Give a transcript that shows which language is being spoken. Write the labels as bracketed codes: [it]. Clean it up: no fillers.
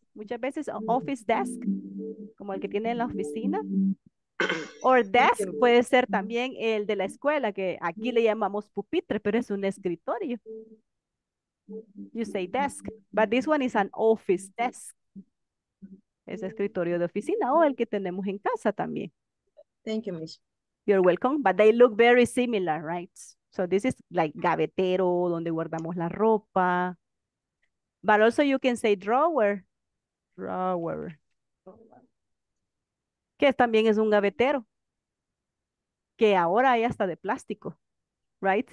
[es] Muchas veces office desk, como el que tiene en la oficina. Or desk puede ser también el de la escuela, que aquí le llamamos pupitre, pero es un escritorio. [en] You say desk, but this one is an office desk. [es] Es escritorio de oficina o el que tenemos en casa también. [en] Thank you, Miss. You're welcome, but they look very similar, right? So this is like [es] gavetero, donde guardamos la ropa. [en] But also you can say drawer. Drawer. [es] Que también es un gavetero. Que ahora hay hasta de plástico. Right?